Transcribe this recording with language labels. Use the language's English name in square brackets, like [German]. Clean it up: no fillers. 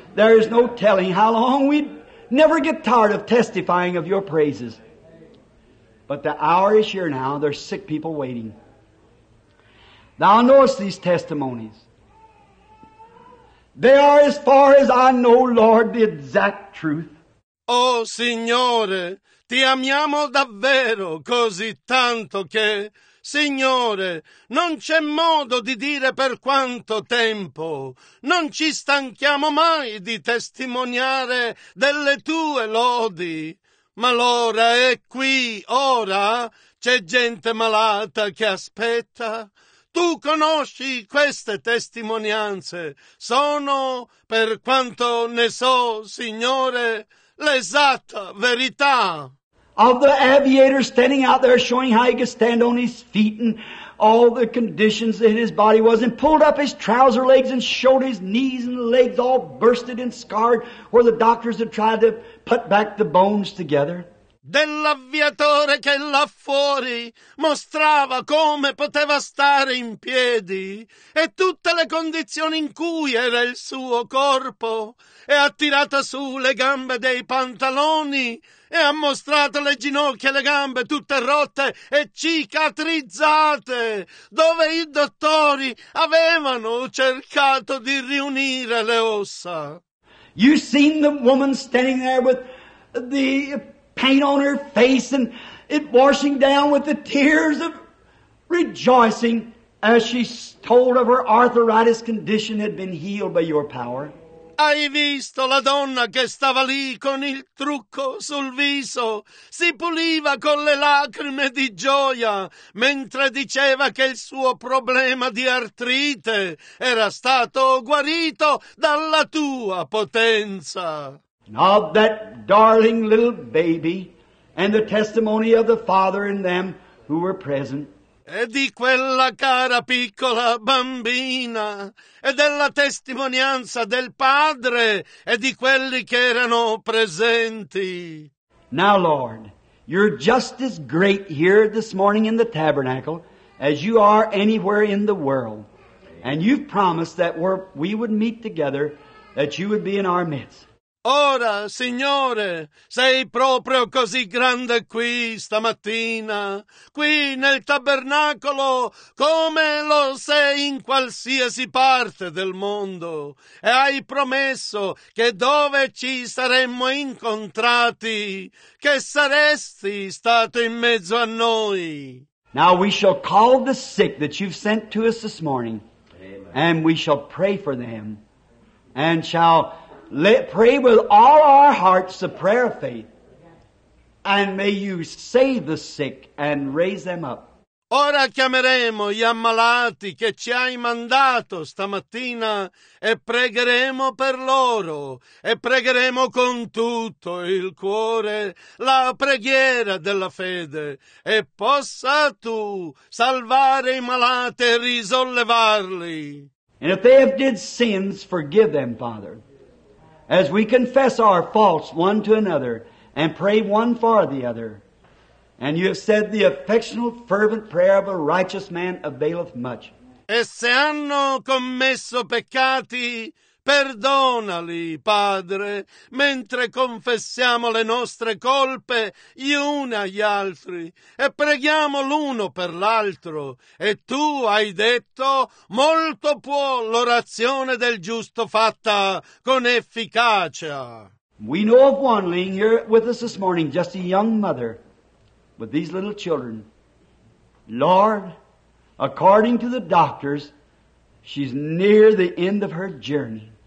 [English] There is no telling how long we'd never get tired of testifying of your praises. But the hour is here now. There's sick people waiting. Thou knowest these testimonies. They are, as far as I know, Lord, the exact truth. [Italian] Oh, Signore, ti amiamo davvero così tanto che, Signore, non c'è modo di dire per quanto tempo. Non ci stanchiamo mai di testimoniare delle tue lodi. Ma l'ora è qui, ora. C'è gente malata che aspetta. Tu conosci queste testimonianze. Sono, per quanto ne so, Signore, l'esatta verità. [English] of the aviator standing out there showing how he could stand on his feet and all the conditions in his body was, and pulled up his trouser legs and showed his knees and legs all bursted and scarred where the doctors had tried to put back the bones together. [Italian] Dell'aviatore che là fuori mostrava come poteva stare in piedi e tutte le condizioni in cui era il suo corpo, e ha tirato su le gambe dei pantaloni e ha mostrato le ginocchia e le gambe tutte rotte e cicatrizzate, dove i dottori avevano cercato di riunire le ossa. [English] You seen the woman standing there with the paint on her face and it washing down with the tears of rejoicing as she told of her arthritis condition had been healed by your power. [Italian] Hai visto la donna che stava lì con il trucco sul viso, si puliva con le lacrime di gioia mentre diceva che il suo problema di artrite era stato guarito dalla tua potenza. [English] Of that darling little baby and the testimony of the father and them who were present. [Italian] E di quella cara piccola bambina e della testimonianza del padre e di quelli che erano presenti. [English] Now, Lord, you're just as great here this morning in the tabernacle as you are anywhere in the world. And you've promised that where we would meet together, that you would be in our midst. [Italian] Ora, Signore, sei proprio così grande qui stamattina, qui nel tabernacolo, come lo sei in qualsiasi parte del mondo, e hai promesso che dove ci saremmo incontrati, che saresti stato in mezzo a noi. [English] Now we shall call the sick that you've sent to us this morning, and we shall pray for them, and shall pray with all our hearts the prayer of faith, and may you save the sick and raise them up. [Italian] Ora chiameremo gli ammalati che ci hai mandato stamattina e pregheremo per loro e pregheremo con tutto il cuore la preghiera della fede e possa tu salvare i malati e risollevarli. [English] And if they have did sins, forgive them, Father. As we confess our faults one to another and pray one for the other, and you have said the affectionate, fervent prayer of a righteous man availeth much. [Italian] E se hanno commesso peccati, perdonali, Padre, mentre confessiamo le nostre colpe gli uni agli altri e preghiamo l'uno per l'altro. E tu hai detto, molto può l'orazione del giusto fatta con efficacia. [English] We know of one laying here with us this morning, just a young mother with these little children. Lord, according to the doctors, she's near the end of her journey.